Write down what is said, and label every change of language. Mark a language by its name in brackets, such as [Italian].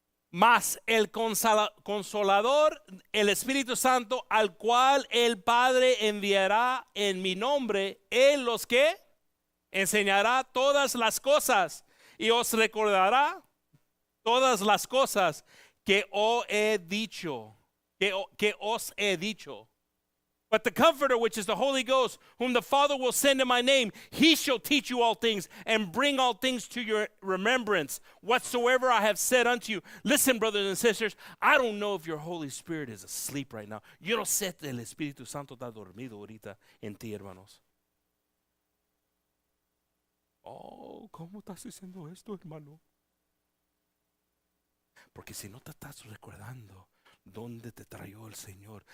[Spanish] Mas el consolador, el Espíritu Santo, al cual el Padre enviará en mi nombre, él los que enseñará todas las cosas y os recordará todas las cosas que os he dicho, que os he dicho. [English] But the Comforter, which is the Holy Ghost, whom the Father will send in my name, he shall teach you all things and bring all things to your remembrance, whatsoever I have said unto you. Listen, brothers and sisters, I don't know if your Holy Spirit is asleep right now. [Spanish] Yo no sé si el Espíritu Santo está dormido ahorita en ti, hermanos. Oh, ¿cómo estás diciendo esto, hermano? Porque si no te estás recordando, ¿dónde te trajo el Señor?